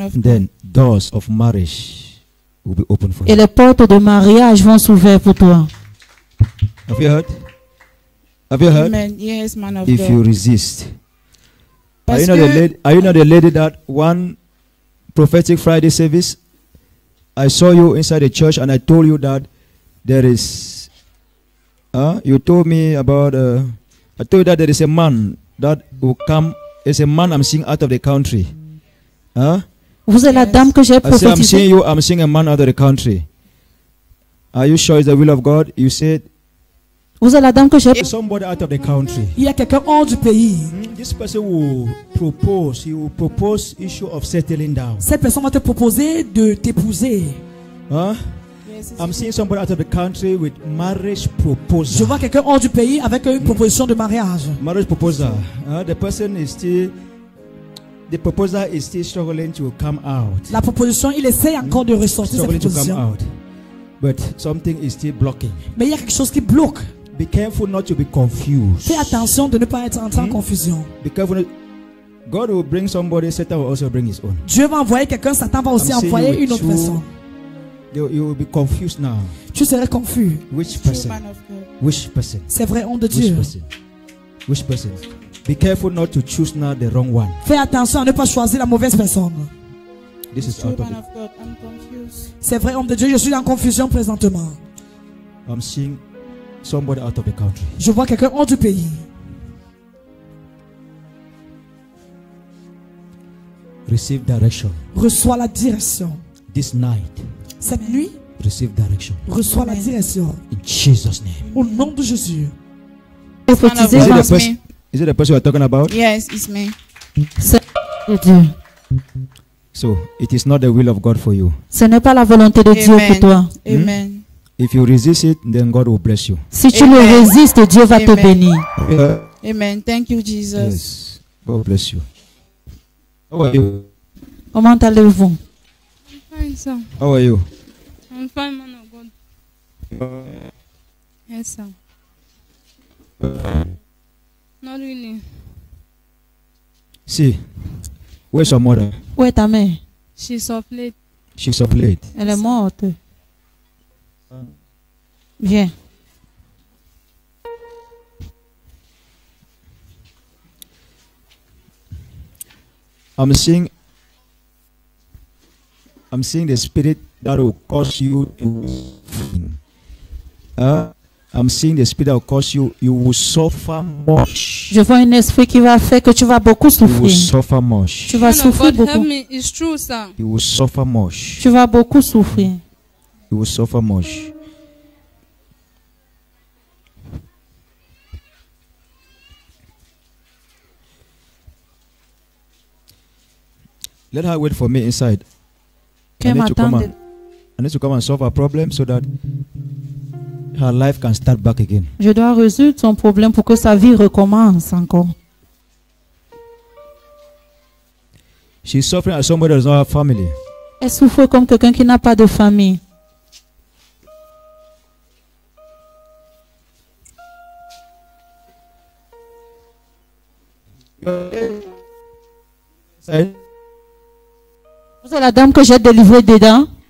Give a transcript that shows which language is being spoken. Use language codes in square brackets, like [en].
[en] then doors of marriage will be open for [fr] et [en] you. [fr] Et les portes de mariage vont s'ouvrir pour toi. [en] Have you heard? Have you heard? Amen. Yes, man of God. If you resist. Are you not the lady that one prophetic Friday service? I saw you inside the church and I told you that there is there is a man that will come. It's a man I'm seeing out of the country. [fr] Vous êtes la dame que j'ai prophétisé. [en] I say I'm seeing a man out of the country. Are you sure it's the will of God? You said [fr] vous êtes la dame que j'ai. [en] Somebody out of the country. [fr] Il y a quelqu'un hors du pays. [en] This person will propose issue of settling down. [fr] Cette personne va te proposer de t'épouser. [en] I'm seeing somebody out of the country with marriage proposal. [fr] Je vois quelqu'un hors du pays avec une proposition de mariage. [en] Marriage proposal. The proposer is still struggling to come out. [fr] La proposition, il essaie encore de ressortir cette proposition. [en] Struggling to come out, but something is still blocking. [fr] Mais il y a quelque chose qui bloque. [en] Be careful not to be confused. [fr] Fais attention de ne pas être en confusion. [en] Be careful. God will bring somebody. Satan will also bring his own. [fr] Dieu va envoyer quelqu'un. Satan va aussi envoyer une autre personne. [en] You will be confused now. [fr] Tu serais confus. [en] Which person? Which person? [fr] C'est vrai, homme de Dieu. [en] Which person? Be careful not to choose now the wrong one. [fr] Fais attention à ne pas choisir la mauvaise personne. [en] This is out of God. I'm confused. [fr] C'est vrai, homme de Dieu. Je suis en confusion présentement. [en] I'm seeing somebody out of the country. [fr] Je vois quelqu'un hors du pays. [en] Receive direction. [fr] Reçois la direction. [en] This night. [fr] Cette nuit. [en] Receive direction. [fr] Reçois la direction. [en] In Jesus' name. [fr] Au nom de Jésus. [en] Is it the person you are talking about? Yes, it's me. So it is not the will of God for you. [fr] Ce n'est pas la volonté de Dieu pour toi. [en] Amen. If you resist it, then God will bless you. [fr] Si tu le résistes, Dieu va te bénir. [en] Amen. Thank you, Jesus. Yes. God bless you. How are you? [fr] Comment allez-vous? [en] I'm fine, sir. How are you? I'm fine, man of God. Yes, sir. Not really. See, where's your mother? Where [fr] ta mère? [en] She's off late. She's off late. [fr] Elle est morte. Viens. [en] I'm seeing the spirit that will cause you to. I'm seeing the spirit that will cause you will suffer much. [fr] Je vois un esprit qui va faire que tu vas beaucoup souffrir. [en] You will suffer much. [fr] Tu vas souffrir [en] God [fr] beaucoup. [en] Help me. It's true, sir. You will suffer much. [fr] Tu vas beaucoup souffrir. [en] You will suffer much. Let her wait for me inside. I need to come and solve her problem so that her life can start back again. [fr] Je dois résoudre son problème pour que sa vie recommence encore. [en] She's suffering as somebody who does not have family. [fr] Elle souffre comme quelqu'un qui n'a pas de famille. Vous êtes la dame que j'ai délivrée dedans.